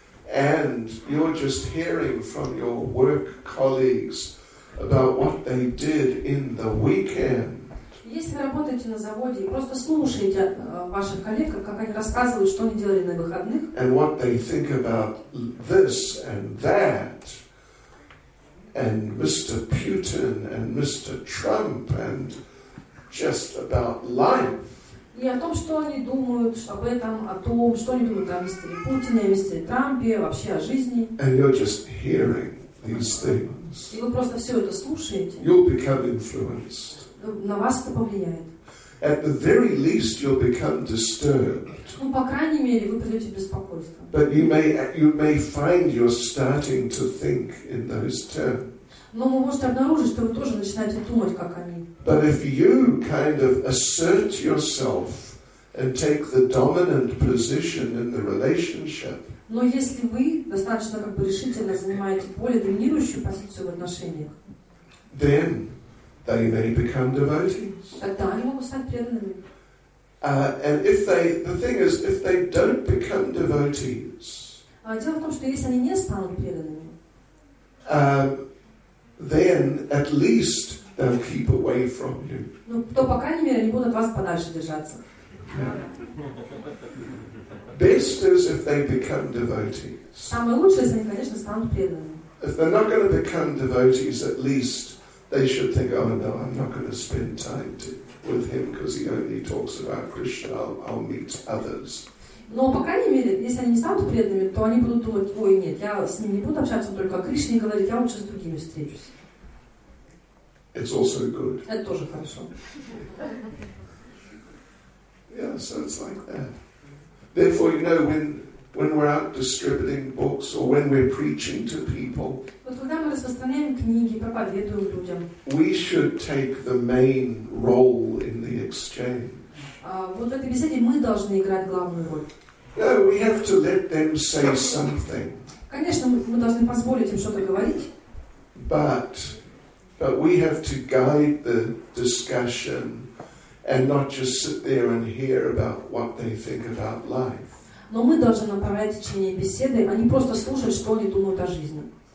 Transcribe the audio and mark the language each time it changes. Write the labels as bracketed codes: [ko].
[en] And you're just hearing from your work colleagues about what they did in the weekend. [ru] Если вы работаете на заводе и просто слушаете ваших коллег, как они рассказывают, что они делали на выходных. [en] And what they think about this and that, and Mr. Putin and Mr. Trump and just about life. [ru] И о том, что они думают об этом, о том, что они думают о мистере Путине, о мистере Трампе, вообще о жизни. [en] And you're just hearing these things. [ru] И вы просто все это слушаете. [en] You'll become influenced. [ru] На вас это повлияет. [en] At the very least, you'll become disturbed. [ru] Ну, по крайней мере, вы придете беспокойство. [en] But you may find you're starting to think in those terms. [ru] Но вы можете обнаружить, что вы тоже начинаете думать, как они. [en] But if you kind of assert yourself and take the dominant position in the relationship. [ru] Но если вы достаточно как бы решительно занимаете более доминирующую позицию в отношениях. [en] Then they may become devotees. [ru] Тогда они могут стать преданными. [en] And if they, the thing is, if they don't become devotees. [ru] Дело в том, что если они не станут преданными. [en] Then at least they'll keep away from you. [ru] Ну, то по крайней мере они будут вас подальше держаться. [en] Best is if they become devotees. [ru] Самое лучшее, если они, конечно, станут преданными. [en] If they're not going to become devotees, at least they should think, oh no, I'm not going to spend time with him because he only talks about Krishna. I'll meet others. [ru] Но по крайней мере, если они не станут преданными, то они будут думать: ой, нет, я с ним не буду общаться, только о Кришне говорить, я лучше с другими встречусь. [en] It's also good. [ru] Это тоже хорошо. [en] Yeah, so it's like that. Therefore, you know, when we're out distributing books or when we're preaching to people, [ru] вот когда мы распространяем книги, проповедуем людям, [en] we should take the main role in the exchange. [ru] Вот в этой беседе мы должны играть главную роль. [en] No, we have to let them say something. [ru] Конечно, мы должны позволить им что-то говорить. [en] But we have to guide the discussion and not just sit there and hear about what they think about life. [ru] Но мы должны направлять течение беседы, а не просто слушать, что они думают о жизни.